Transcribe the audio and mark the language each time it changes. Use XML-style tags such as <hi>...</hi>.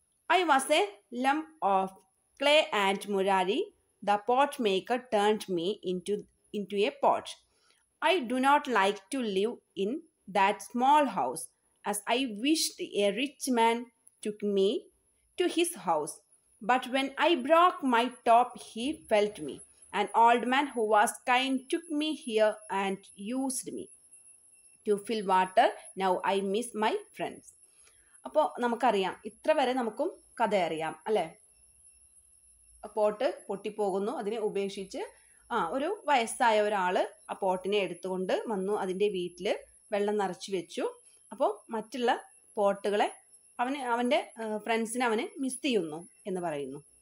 <en>I was a lump of clay and Murari, the pot maker turned me in to a pot. I do not like to live in that small house, as I wished a rich man took me to his house. But when I broke my top, he felt me. An old man who was kind took me here and used me to fill water. Now I miss my friends.</en> <ml>അപ്പോൾ നമുക്കറിയാം, ഇത്ര വരെ നമുക്കും കഥ അറിയാം അല്ലേ. Pot പൊട്ടിപ്പോകുന്നു, അതിനെ ഉപേക്ഷിച്ച് ഒരു വയസ്സായ ഒരാൾ ആ പോട്ടിനെ എടുത്തുകൊണ്ട് വന്നു, അതിൻ്റെ വീട്ടിൽ വെള്ളം നിറച്ച് വെച്ചു. അപ്പോൾ മറ്റുള്ള പോട്ടുകളെ അവന് അവൻ്റെ ഫ്രണ്ട്സിനെ അവന് മിസ് ചെയ്യുന്നു എന്ന് പറയുന്നു.</ml>